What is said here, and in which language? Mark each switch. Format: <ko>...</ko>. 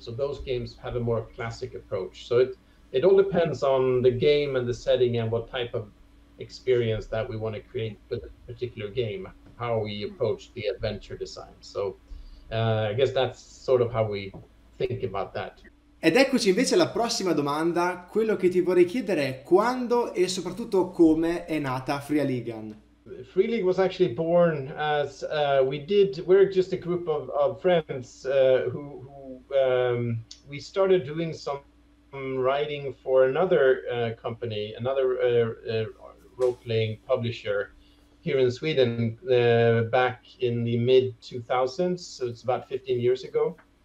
<en>So those games have a more classic approach. So it all depends on the game and the setting and what type of experience that we want to create with a particular game, how we approach the adventure design. So I guess that's sort of how we think about that.</en> <it>Ed eccoci invece alla prossima domanda. Quello che ti vorrei chiedere è quando e soprattutto come è nata Fria Ligan.</it> <en>Fria Ligan was actually born as we're just a group of friends who we started doing some writing for another company, another role-playing publisher here in Sweden back in the mid-2000s, so it's about 15 years ago.</en>